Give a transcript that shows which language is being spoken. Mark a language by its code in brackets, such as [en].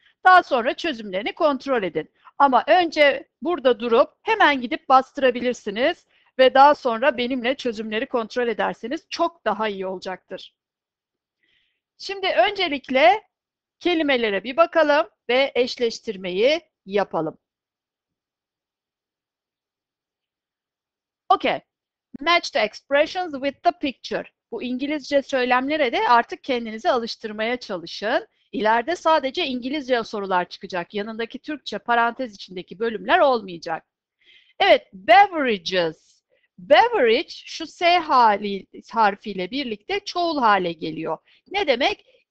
[tr] Daha sonra çözümlerini kontrol edin. Ama önce burada durup hemen gidip bastırabilirsiniz ve daha sonra benimle çözümleri kontrol ederseniz çok daha iyi olacaktır. Şimdi öncelikle kelimelere bir bakalım ve eşleştirmeyi yapalım. [en] Okay. Match the expressions with the picture. [tr] Bu İngilizce söylemlere de artık kendinizi alıştırmaya çalışın. İleride sadece İngilizce sorular çıkacak. Yanındaki Türkçe parantez içindeki bölümler olmayacak. Evet, beverages. Beverage şu S harfiyle birlikte çoğul hale geliyor. Ne demek?